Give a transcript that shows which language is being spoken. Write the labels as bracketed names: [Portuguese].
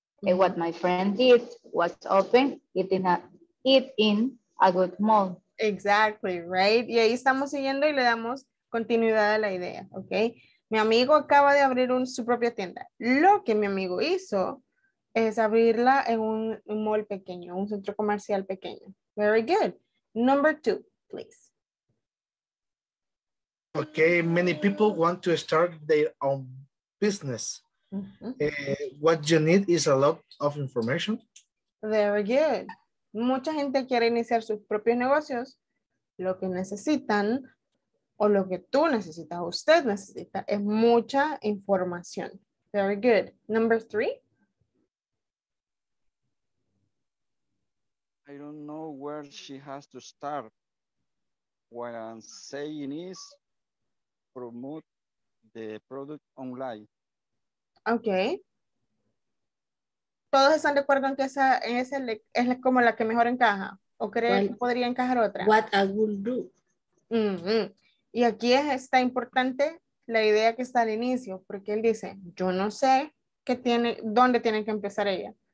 [English] And what my friend did was open it in a good mall. Exactly, right? [Spanish] Y ahí estamos siguiendo y le damos continuidad a la idea, okay? Mi amigo acaba de abrir su propia tienda. Lo que mi amigo hizo es abrirla en un mall pequeño, un centro comercial pequeño. [English] Very good. Number 2, please. Okay, many people want to start their own business. Mm-hmm. What you need is a lot of information. Very good. [Spanish] Mucha gente quiere iniciar sus propios negocios. Lo que necesitan, o lo que tú necesitas, usted necesita, es mucha información. [English] Very good. Number 3. I don't know where she has to start. What I'm saying is, promote the product online. Okay. [Spanish] ¿Todos están de acuerdo en que esa en ese es como la que mejor encaja? ¿O creen que podría encajar otra? [English] What I will do. Mm-hmm. [Spanish] Y aquí está importante la idea que está al inicio, porque él dice, yo no sé qué tiene, dónde tiene que empezar ella.